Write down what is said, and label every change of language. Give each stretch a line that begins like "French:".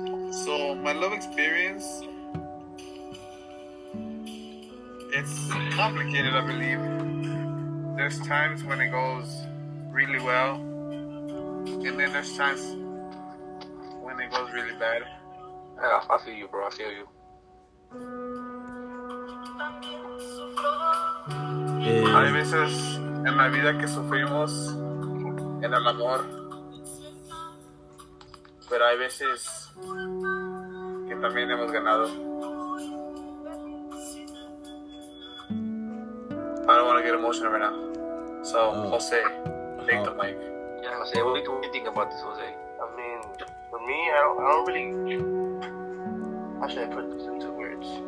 English: So, my love experience, it's complicated, I believe. There's times when it goes really well, and then there's times when it goes really bad. Yeah, I feel you, bro. I feel you.
Spanish: Hay veces en la vida que sufrimos en el amor, pero hay veces que también hemos ganado.
English: I don't want to get emotional right now. So, Jose, take the mic. Yeah, Jose, what do you think about this, Jose? I mean, for me, I don't really... How should I put this into words?